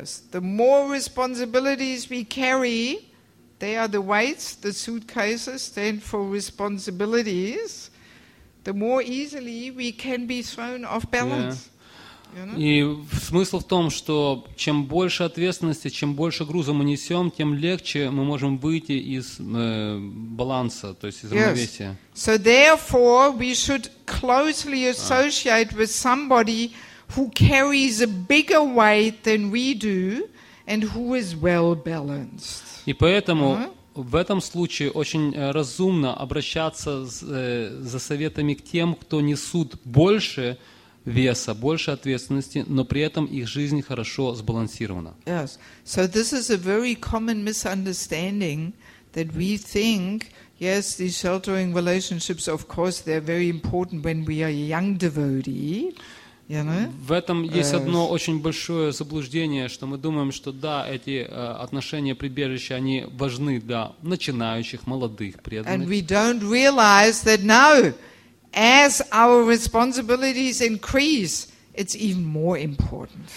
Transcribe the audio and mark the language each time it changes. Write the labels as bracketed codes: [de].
[en] The more responsibilities we carry, they are the weights, the suitcases, stand for responsibilities, the more easily we can be thrown off balance. [ru] И смысл в том, что чем больше ответственности, чем больше груза мы несем, тем легче мы можем выйти из баланса, то есть из равновесия. [en] So therefore, we should closely associate with somebody who carries a bigger weight than we do and who is well balanced. [ru] И поэтому в этом случае очень разумно обращаться за советами к тем, кто несут больше веса, больше ответственности, но при этом их жизнь хорошо сбалансирована. [en] Yes. So this is a very common misunderstanding that we think, yes, these sheltering relationships, of course, they're very important when we are young devotee. [ru] В этом есть одно очень большое заблуждение, что мы думаем, что да, эти отношения прибежища, они важны для начинающих, молодых, преданных. [en] And we don't realize that now, as our responsibilities increase, it's even more important.